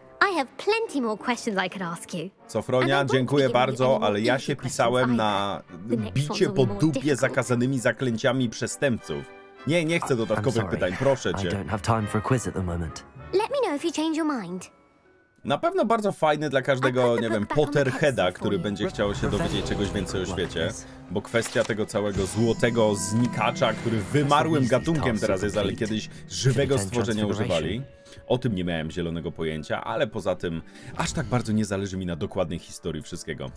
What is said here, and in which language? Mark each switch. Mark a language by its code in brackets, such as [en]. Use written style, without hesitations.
[en] I have plenty more questions I could ask you. [pl] Sofronia, dziękuję bardzo, ale ja się pisałem na bicie po dupie zakazanymi zaklęciami przestępców. Nie, nie chcę dodatkowych pytań, proszę cię. [en] I don't have time for a quiz at the moment. Let me know if you change your mind. [pl] Na pewno bardzo fajny dla każdego, nie wiem, Potterheada, który będzie chciał się dowiedzieć czegoś więcej o świecie, bo kwestia tego całego złotego znikacza, który wymarłym gatunkiem teraz jest, ale kiedyś żywego stworzenia używali. O tym nie miałem zielonego pojęcia, ale poza tym aż tak bardzo nie zależy mi na dokładnej historii wszystkiego.